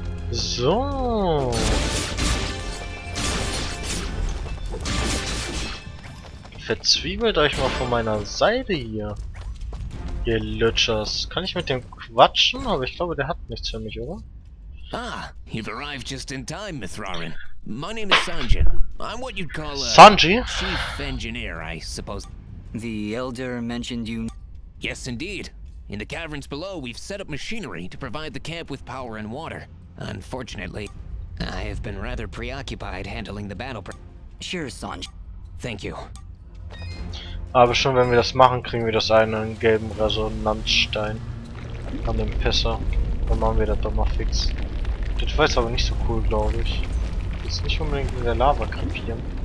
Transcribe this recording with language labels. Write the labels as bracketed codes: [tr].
[de] So. Verzwiebelt euch mal von meiner Seite hier. Ihr Lutschers. Kann ich mit dem quatschen? Aber ich glaube, der hat nichts für mich, oder? [en] Ah, you've arrived just in time, Mithrarin. My name is Sanjin. I'm what you'd call a... Sanji? Chief engineer, I suppose. The Elder mentioned you... Yes, indeed. In the caverns below, we've set up machinery to provide the camp with power and water. Unfortunately, I have been rather preoccupied handling the battle... Sure, Sanji. Thank you. [de] Aber schon wenn wir das machen, kriegen wir das einen gelben Resonanzstein. An dem Pisser. Dann machen wir das doch mal fix. Das war jetzt aber nicht so cool, glaube ich. Jetzt nicht unbedingt in der Lava krepieren.